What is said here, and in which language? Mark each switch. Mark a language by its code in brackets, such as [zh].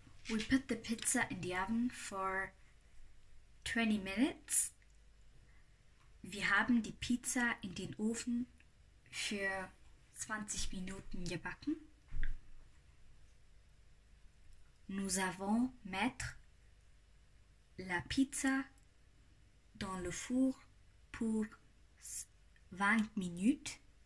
[en] We put the pizza in the oven for 20 minutes. [de] Wir haben die Pizza in den Ofen für 20 Minuten gebacken. [fr] Nous avons mettre la pizza dans le four pour 20 minutes.